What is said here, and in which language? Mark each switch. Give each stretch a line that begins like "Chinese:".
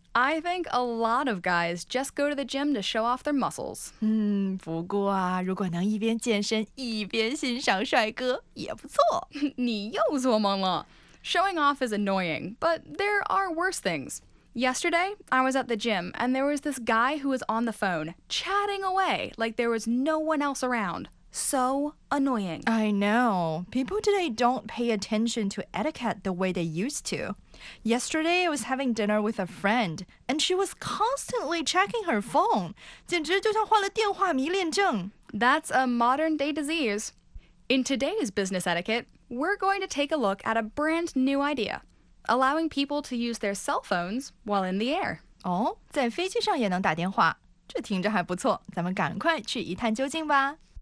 English: I think a lot of guys just go to the gym to show off their muscles.
Chinese: 不过啊，如果能一边健身一边欣赏帅哥也不错。你又做梦了。
English: Showing off is annoying, but there are worse things. Yesterday, I was at the gym, and there was this guy who was on the phone, chatting away like there was no one else around. So annoying. I know. People today don't pay attention to etiquette the way they used to. Yesterday, I was having dinner with a friend, and she was constantly checking her phone.
Chinese: 简直就像患了电话迷恋症。
English: That's a modern-day disease. In today's business etiquette, we're going to take a look at a brand new idea, allowing people to use their cell phones while in the air.
Chinese: 哦，在飞机上也能打电话，这听着还不错，咱们赶快去一探究竟吧。